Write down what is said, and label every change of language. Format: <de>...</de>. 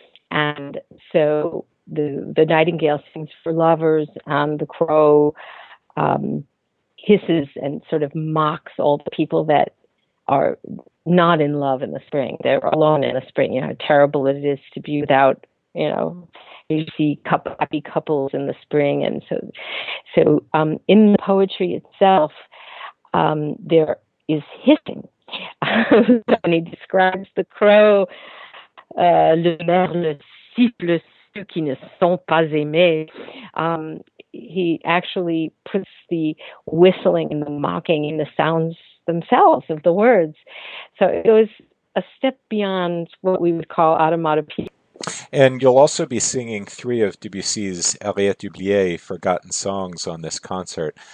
<en>And so the nightingale sings for lovers, and the crow hisses and sort of mocks all the people that are not in love in the spring. They're alone in the spring. You know how terrible it is to be without, you see happy couples in the spring. And so in the poetry itself, there is hissing. And he describes the crow,</en> <fr>le merle siffle ceux qui ne sont pas aimés.</fr> <en>He actually puts the whistling and the mocking in the sounds themselves of the words. So it was a step beyond what we would call automatopoeia. And you'll also be singing three of Debussy's Arrière d'oublier forgotten songs on this concert.</en>